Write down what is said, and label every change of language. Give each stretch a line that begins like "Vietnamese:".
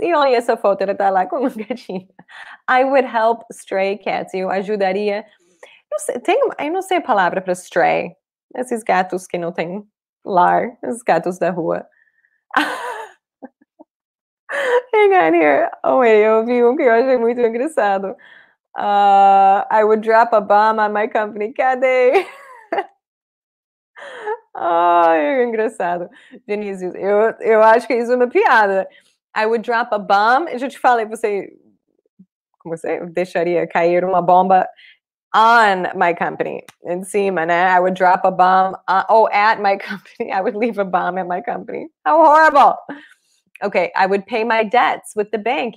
Portuguese: E olha essa foto, ela tá lá com um gatinho.
English: I would help stray cats.
Portuguese: Eu ajudaria. Não sei, eu não sei a palavra para stray. Esses gatos que não têm lar, esses gatos da rua.
English: Hang on here. Oh, wait,
Portuguese: eu vi um que eu achei muito engraçado.
English: I would drop a bomb on my company.
Portuguese: Cadê? Ai, oh, engraçado. Vinícius, eu acho que isso é uma piada.
English: I would drop a bomb.
Portuguese: Eu já te falei, você deixaria cair uma bomba
English: on my company,
Portuguese: em cima, né?
English: I would drop a bomb at my company. I would leave a bomb at my company. How horrible! Okay, I would pay my debts with the bank.